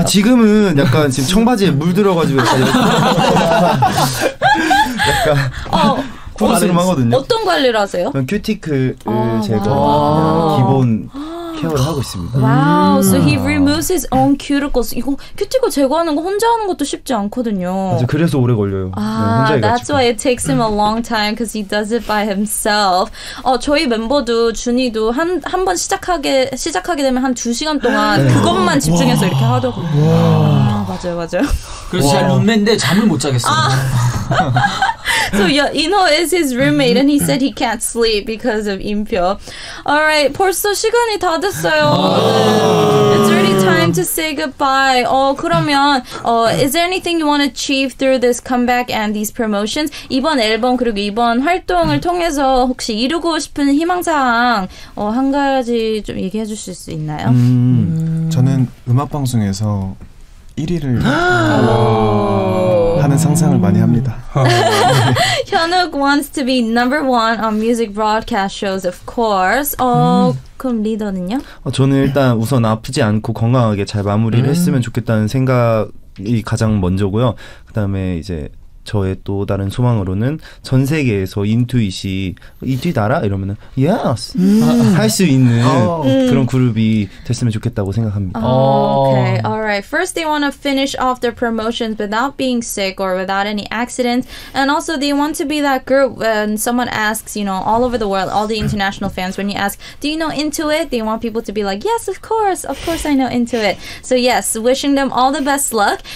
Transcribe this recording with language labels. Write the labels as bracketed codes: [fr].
[ko] 아, 지금은 약간 지금 청바지에 물 들어가지고 약간 구수름하거든요. 어떤 관리를 하세요? 큐티클 제거 기본 케어를 하고 있습니다. [en] 와우, so he removes his own cuticles. [ko] 이거 큐티클 제거하는 거 혼자 하는 것도 쉽지 않거든요. 맞아, 그래서 오래 걸려요. [en] 아, 네, that's why it takes him a long time because he does it by himself. [ko] 어, 저희 멤버도 준이도 한번 시작하게 되면 한 두 시간 동안 네. 그것만 집중해서 와. 이렇게 하더라고요. 와. 아, 맞아요, 맞아요. 그래서 잘 룸메인데 잠을 못 자겠어. 아. [en] So yeah, Inho is his roommate and he said he can't sleep because of Inpyo. [ko] Alright, 벌써 시간이 다 됐어요. [en] It's already time to say goodbye. 어, 그러면 어, is there anything you want to achieve through this comeback and these promotions? [ko] 이번 앨범 그리고 이번 활동을 통해서 혹시 이루고 싶은 희망사항 어, 한 가지 좀 얘기해 주실 수 있나요? 저는 음악방송에서 1위를 하는 상상을 많이 합니다. [en] Hyunwook wants to be number one on music broadcast shows, of course. [ko] 어, 그럼 리더는요? 어, 저는 일단 우선 아프지 않고 건강하게 잘 마무리를 했으면 좋겠다는 생각이 가장 먼저고요. 그 다음에 이제 저의 또 다른 소망으로는 전 세계에서 인투잇이 인투잇 알아? 이러면은 yes 할 수 있는 그런 그룹이 됐으면 좋겠다고 생각합니다. [en] Okay, alright. First, they want to finish off their promotions without being sick or without any accidents, and also they want to be that group when someone asks, you know, all over the world, all the international fans, when you ask, do you know Intuit? They want people to be like, yes, of course I know Intuit. So yes, wishing them all the best luck.